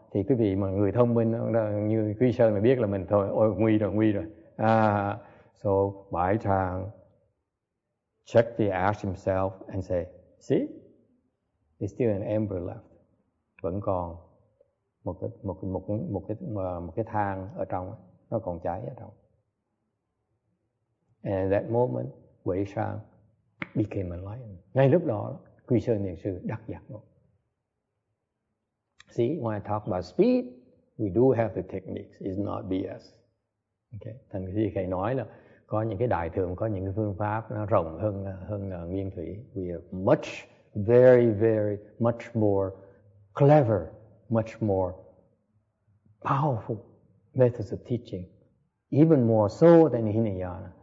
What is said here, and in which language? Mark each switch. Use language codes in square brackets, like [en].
[vi] Thì quý vị mà người thông minh như Quy Sơn là biết là mình thôi, ôi nguy rồi. [en] So Bái Trang check the ash himself and say, "See, there's still an ember left." [vi] Vẫn còn một cái than ở trong, nó còn cháy ở trong. [en] And at that moment, Quy Sơn became enlightened. [vi] Ngay lúc đó, Quy Sơn Thiền Sư đắc giác ngộ. [en] See, when I talk about speed, we do have the techniques. It's not BS. Okay. [vi] Thành như thầy nói là có những cái đại thừa, có những cái phương pháp nó rộng hơn nguyên thủy. [en] We are much, very, very, much more clever, much more powerful methods of teaching, even more so than Hinayana.